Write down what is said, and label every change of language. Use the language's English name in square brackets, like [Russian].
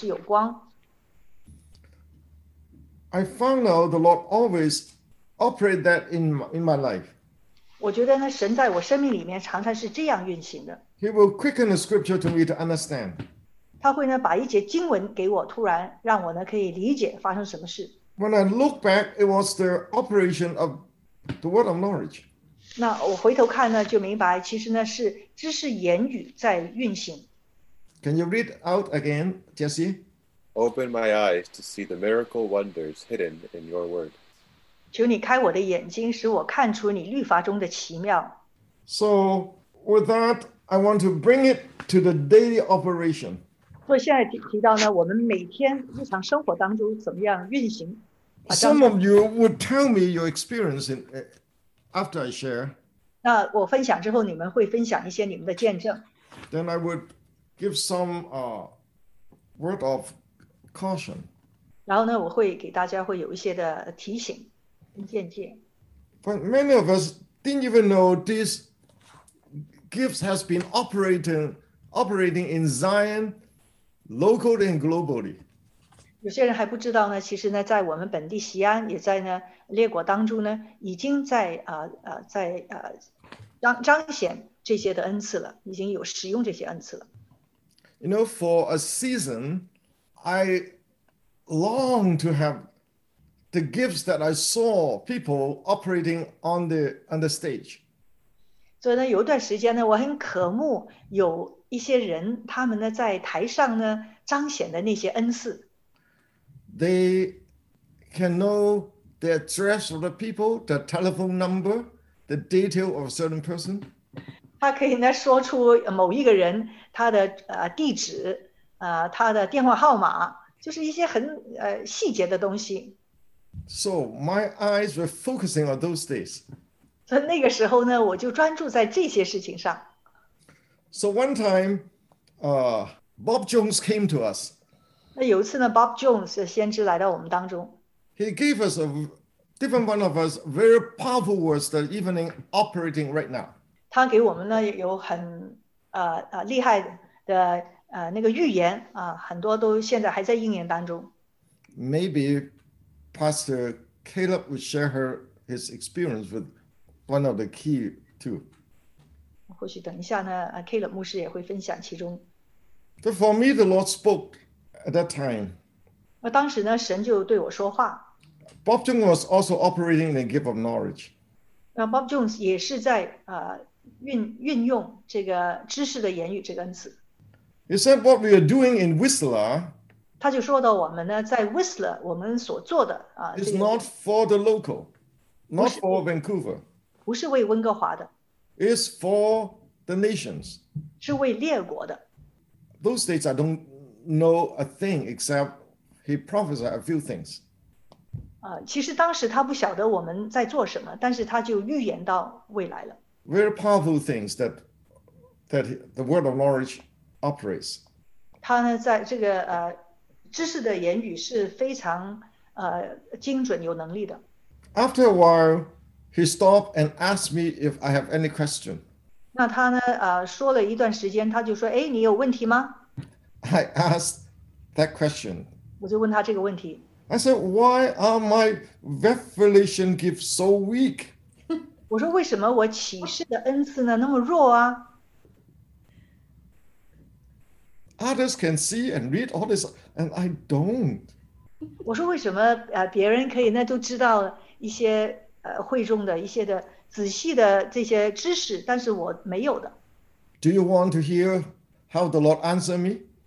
[Chinese] 就是呢,在他的话语里面是有光。 [English] I found out the Lord always operated that in my life. [Chinese] 我觉得呢,神在我生命里面常常是这样运行的。 [English] He will quicken the scripture to me to understand. [Chinese] 他会呢,把一节经文给我,突然让我呢,可以理解发生什么事。 [English] When I look back, it was the operation of the word of knowledge. [Chinese] 那我回头看呢,就明白,其实呢,是知识言语在运行。 [English] Can you read out again, Jesse? Open my eyes to see the miracle wonders hidden in your word. [Chinese] 求你开我的眼睛, 使我看出你律法中的奇妙。 [English] So, with that, I want to bring it to the daily operation. [Chinese] 所以现在提到呢, 我们每天日常生活当中怎么样运行, [English] Some of you would tell me your experience in, after I share. [Chinese] 那我分享之后, 你们会分享一些你们的见证。 [English] Then I would give some word of caution. [Chinese] 然后呢, 我会给大家会有一些的提醒跟见解。 [English] But many of us didn't even know this gifts has been operating in Zion locally and globally. [Chinese] 有些人还不知道呢, 其实呢, 在我们本地西安, 也在呢, 列国当中呢, 已经在, 在, 彰显这些的恩赐了, 已经有使用这些恩赐了。 [English] You know, for a season, I long to have the gifts that I saw people operating on the stage. [Chinese] 所以呢，有一段时间呢， 我很渴慕有一些人， 他们呢， 在台上呢， 彰显的那些恩赐。 [English] They can know the address of the people, the telephone number, the detail of a certain person. [Chinese] 他可以呢， 说出某一个人， 他的, 地址, 他的电话号码, 就是一些很, 细节的东西。 [English] So my eyes were focusing on those days. [Chinese] 那个时候呢, 我就专注在这些事情上。 [English] So one time, Bob Jones came to us. [Chinese] 那有一次呢, Bob Jones 先知来到我们当中。 [English] He gave us, one of us, very powerful words that evening operating right now. [Chinese] 他给我们呢, 有很, 厉害的, 那个预言, 很多都现在还在应验当中。 [English] Maybe Pastor Caleb would share his experience with one of the key two. [Chinese] 或许等一下呢, Caleb牧师也会分享其中。 [English] But for me, the Lord spoke at that time. [Chinese] 当时呢, 神就对我说话。 [English] Bob Jones was also operating the gift of knowledge. [Chinese] Bob Jones也是在, 运用这个知识的言语, 这个恩赐。 [English] He said what we are doing in Whistler, [Chinese] 他就说到我们呢, 在Whistler, 我们所做的, [English] is not for the local, not for Vancouver. [Chinese] 不是为温哥华的, [English] it's for the nations. [Chinese] 是为列国的。 [English] Those days I don't know a thing except he prophesied a few things. [Chinese] 其实当时他不晓得我们在做什么, 但是他就预言到未来了。 [English] Very powerful things that the word of knowledge operates. [Chinese] 他呢, 在这个, 知识的言语是非常, 精准有能力的。 [English] After a while, he stopped and asked me if I have any question. [Chinese] 那他呢, 说了一段时间, 他就说, 诶, 你有问题吗? [English] I asked that question. [Chinese] 我就问他这个问题。 [English] I said, why are my revelation gifts so weak? [Chinese] 我说为什么我启示的恩赐呢, 那么弱啊? [English] Others can see and read all this, and I don't. [Chinese] 我说为什么, 别人可以呢, 都知道一些, 会众的一些的, 仔细的这些知识, 但是我没有的。 [English] Do you want to hear how the Lord answered me?